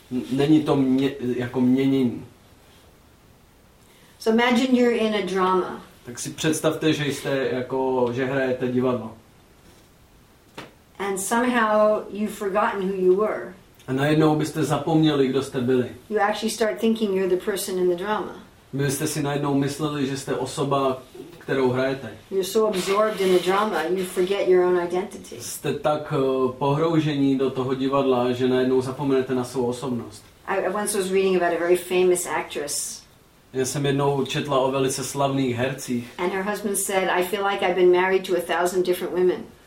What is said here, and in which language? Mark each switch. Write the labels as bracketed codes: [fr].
[cs] Není to jako měnění. [en] So imagine you're in a drama. [cs] Tak si představte, že jste jako, že hrajete divadlo. [en] And somehow you've forgotten who you were. [cs] A najednou byste zapomněli, kdo jste byli. [en] You actually start thinking you're the person in the drama. [cs] Vy jste si najednou mysleli, že jste osoba, kterou hrajete. [en] You're so absorbed in the drama, you forget your own identity. [cs] Jste tak pohroužení do toho divadla, že najednou zapomenete na svou osobnost. [en] I once was reading about a very famous actress. [cs] Já jsem jednou četla o velice slavných hercích. [en] And her husband said, I feel like I've been married to 1,000 different women.